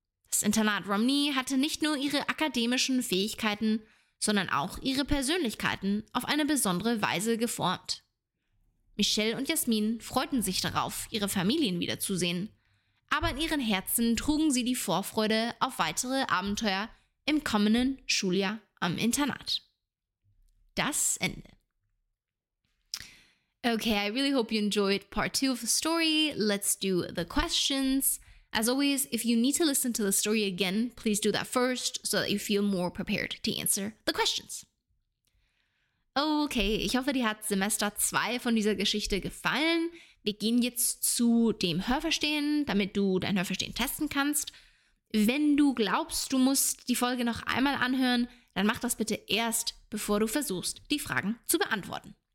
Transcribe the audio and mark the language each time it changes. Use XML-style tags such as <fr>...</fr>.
<de>Das Internat Romney hatte nicht nur ihre akademischen Fähigkeiten, sondern auch ihre Persönlichkeiten auf eine besondere Weise geformt. Michelle und Jasmin freuten sich darauf, ihre Familien wiederzusehen, aber in ihren Herzen trugen sie die Vorfreude auf weitere Abenteuer im kommenden Schuljahr am Internat. Das Ende.</de> <en>Okay, I really hope you enjoyed part two of the story. Let's do the questions. As always, if you need to listen to the story again, please do that first so that you feel more prepared to answer the questions.</en> <de>Okay, ich hoffe, dir hat Semester 2 von dieser Geschichte gefallen. Wir gehen jetzt zu dem Hörverstehen, damit du dein Hörverstehen testen kannst. Wenn du glaubst, du musst die Folge noch einmal anhören, dann mach das bitte erst, bevor du versuchst, die Fragen zu beantworten.</de>